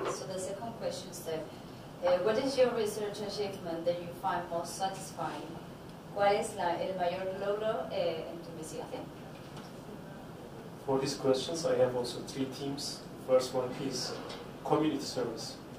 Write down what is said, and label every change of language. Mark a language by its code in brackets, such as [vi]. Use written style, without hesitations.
[en] So the second question is that, what is your research achievement that you find most satisfying? [es] ¿Cuál es el mayor logro en tu investigación? [en] For these questions, I have also three themes. First one is community service.